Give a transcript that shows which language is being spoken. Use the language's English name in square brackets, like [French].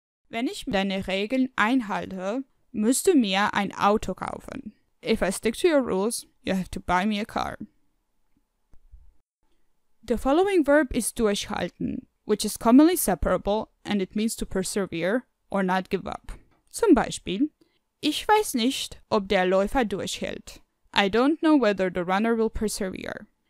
[German] Wenn ich deine Regeln einhalte, musst du mir ein Auto kaufen. [English] If I stick to your rules, you have to buy me a car. The following verb is durchhalten, which is commonly separable and it means to persevere or not give up. [German] Zum Beispiel, ich weiß nicht, ob der Läufer durchhält. [English] I don't know whether the runner will persevere.